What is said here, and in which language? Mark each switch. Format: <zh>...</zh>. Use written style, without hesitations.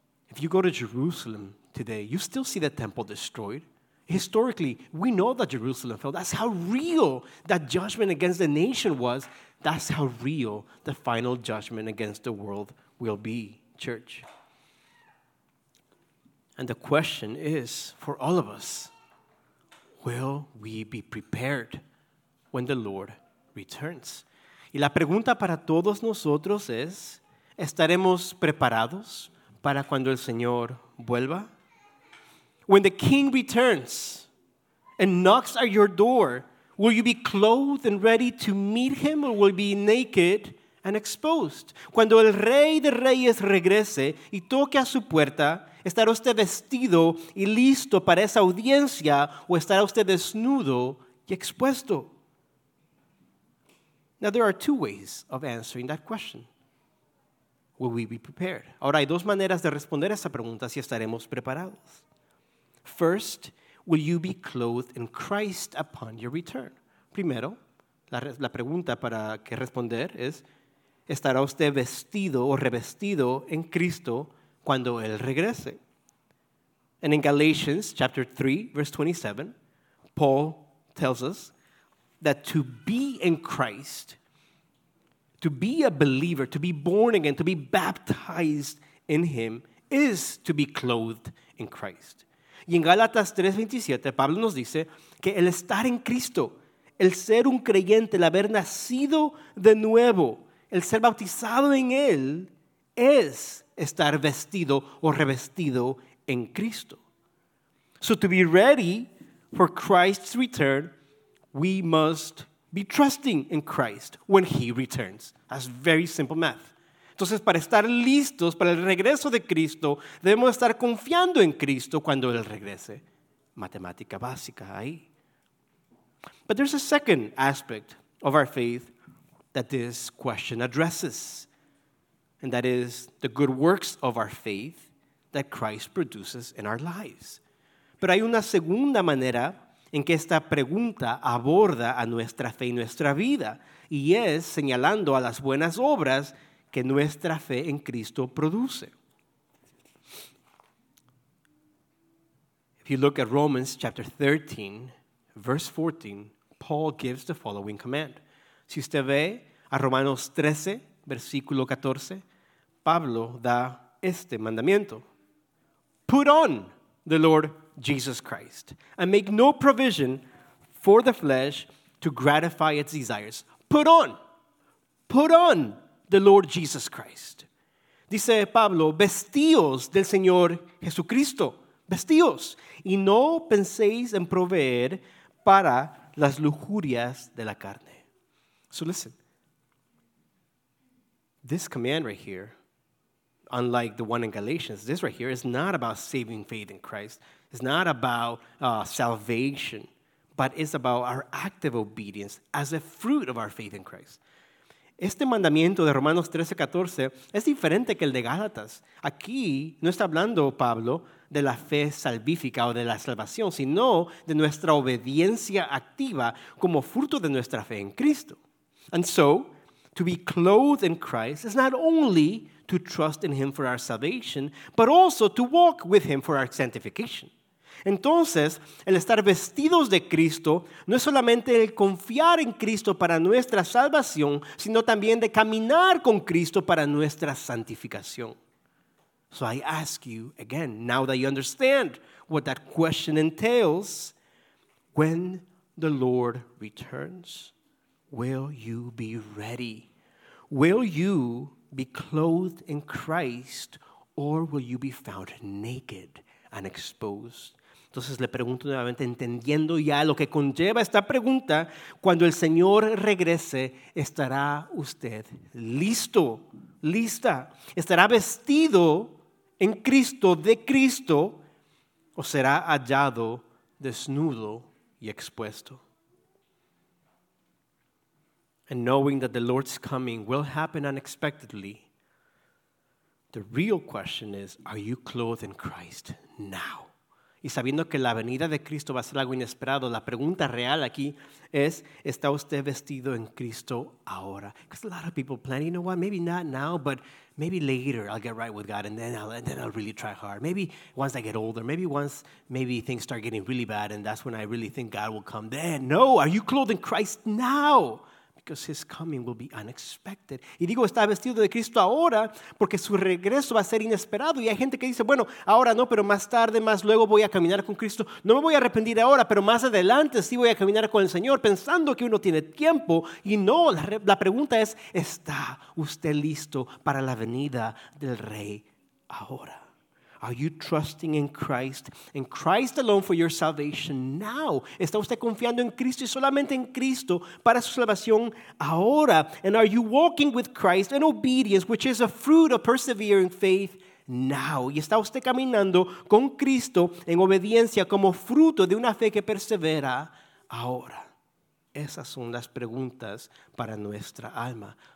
<en>If you go to Jerusalem today, you still see the temple destroyed. Historically, we know that Jerusalem fell. That's how real that judgment against the nation was. That's how real the final judgment against the world will be, church. And the question is, for all of us, will we be prepared when the Lord returns?</en> <es>Y la pregunta para todos nosotros es, ¿estaremos preparados para cuando el Señor vuelva?</es> <en>When the King returns and knocks at your door, will you be clothed and ready to meet him, or will you be naked and exposed?</en> <es>Cuando el Rey de Reyes regrese y toque a su puerta, ¿estará usted vestido y listo para esa audiencia, o estará usted desnudo y expuesto?</es> <en>Now, there are two ways of answering that question. Will we be prepared?</en> <es>Ahora, hay dos maneras de responder a esa pregunta, si estaremos preparados.</es> <en>First, will you be clothed in Christ upon your return?</en> <es>Primero, la pregunta para que responder es, ¿estará usted vestido o revestido en Cristo cuando Él regrese?</es> <en>And in Galatians chapter 3, verse 27, Paul tells us that to be in Christ, to be a believer, to be born again, to be baptized in him, is to be clothed in Christ.</en> <es>Y en Gálatas 3:27, Pablo nos dice que el estar en Cristo, el ser un creyente, el haber nacido de nuevo, el ser bautizado en Él, es estar vestido o revestido en Cristo.</es> <en>So to be ready for Christ's return, we must be trusting in Christ when he returns. That's very simple math.</en> <es>Entonces, para estar listos para el regreso de Cristo, debemos estar confiando en Cristo cuando Él regrese. Matemática básica ahí.</es> <en>But there's a second aspect of our faith that this question addresses, and that is the good works of our faith that Christ produces in our lives.</en> <es>Pero hay una segunda manera en que esta pregunta aborda a nuestra fe y nuestra vida, y es señalando a las buenas obras que nuestra fe en Cristo produce.</es> <en>If you look at Romans chapter 13, verse 14, Paul gives the following command.</en> <es>Si usted ve a Romanos 13, versículo 14, Pablo da este mandamiento.</es> <en>Put on the Lord Jesus Christ and make no provision for the flesh to gratify its desires. Put on the Lord Jesus Christ.</en> <es>Dice Pablo, vestíos del Señor Jesucristo, vestíos, y no penséis en proveer para las lujurias de la carne.</es> <en>So listen, this command right here, unlike the one in Galatians, this right here is not about saving faith in Christ. It's not about salvation, but it's about our active obedience as a fruit of our faith in Christ.</en> <es>Este mandamiento de Romanos 13, 14 es diferente que el de Gálatas. Aquí no está hablando Pablo de la fe salvífica o de la salvación, sino de nuestra obediencia activa como fruto de nuestra fe en Cristo.</es> <en>And so, to be clothed in Christ is not only to trust in him for our salvation, but also to walk with him for our sanctification.</en> <es>Entonces, el estar vestidos de Cristo no es solamente el confiar en Cristo para nuestra salvación, sino también de caminar con Cristo para nuestra santificación.</es> <en>So I ask you again, now that you understand what that question entails, when the Lord returns, will you be ready? Will you be clothed in Christ, or will you be found naked and exposed?</en> <es>Entonces le pregunto nuevamente, entendiendo ya lo que conlleva esta pregunta, cuando el Señor regrese, ¿estará usted listo, lista? ¿Estará vestido en Cristo, de Cristo, o será hallado desnudo y expuesto.</es> <en>And knowing that the Lord's coming will happen unexpectedly, the real question is, are you clothed in Christ now?</en> <es>Y sabiendo que la venida de Cristo va a ser algo inesperado, la pregunta real aquí es, ¿está usted vestido en Cristo ahora?</es> <en>Because a lot of people plan, you know what, maybe not now, but maybe later I'll get right with God and then I'll really try hard. Maybe once I get older, maybe things start getting really bad and that's when I really think God will come then. No, are you clothed in Christ now? Because his coming will be unexpected.</en> <es>Y digo, está vestido de Cristo ahora porque su regreso va a ser inesperado. Y hay gente que dice, bueno, ahora no, pero más tarde, más luego voy a caminar con Cristo. No me voy a arrepentir ahora, pero más adelante sí voy a caminar con el Señor, pensando que uno tiene tiempo. Y no, la pregunta es, ¿está usted listo para la venida del Rey ahora?</es> <en>Are you trusting in Christ and Christ alone for your salvation now?</en> <es>¿Está usted confiando en Cristo y solamente en Cristo para su salvación ahora?</es> <en>And are you walking with Christ in obedience, which is a fruit of persevering faith now?</en> <es>¿Y está usted caminando con Cristo en obediencia como fruto de una fe que persevera ahora? Esas son las preguntas para nuestra alma.</es>